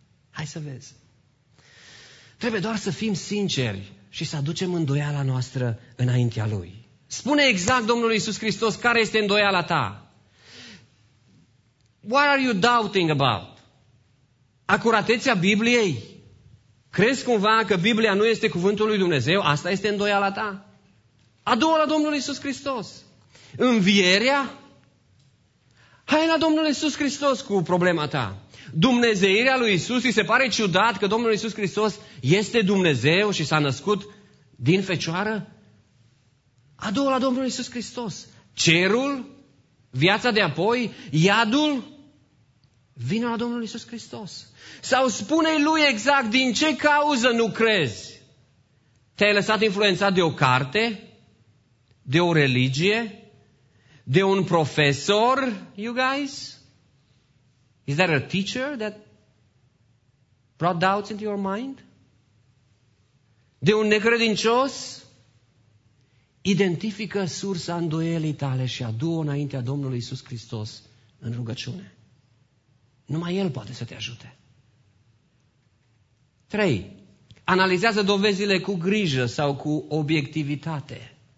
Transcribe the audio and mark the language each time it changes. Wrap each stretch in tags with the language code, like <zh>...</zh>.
<ro>Hai să vezi! Trebuie doar să fim sinceri și să aducem îndoiala noastră înaintea Lui. Spune exact Domnului Iisus Hristos care este îndoiala ta.</ro> <en>What are you doubting about?</en> <ro>Acuratețea Bibliei? Crezi cumva că Biblia nu este cuvântul lui Dumnezeu? Asta este îndoiala ta? Adu-o la Domnul Iisus Hristos. Învierea? Hai la Domnul Iisus Hristos cu problema ta. Dumnezeirea lui Iisus, îi se pare ciudat că Domnul Iisus Hristos este Dumnezeu și s-a născut din fecioară? Adu-o la Domnul Iisus Hristos. Cerul? Viața de apoi? Iadul? Vino la Domnul Iisus Hristos. Sau spune-i lui exact din ce cauză nu crezi. Te-ai lăsat influențat de o carte? De o religie? De un profesor,</ro> <en>you guys? Is there a teacher that brought doubts into your mind?</en> <ro>De un necredincios? Identifică sursa îndoielii tale și adu-o înaintea Domnului Iisus Hristos în rugăciune. Numai El poate să te ajute. 3. Analizează dovezile cu grijă sau cu obiectivitate.</ro>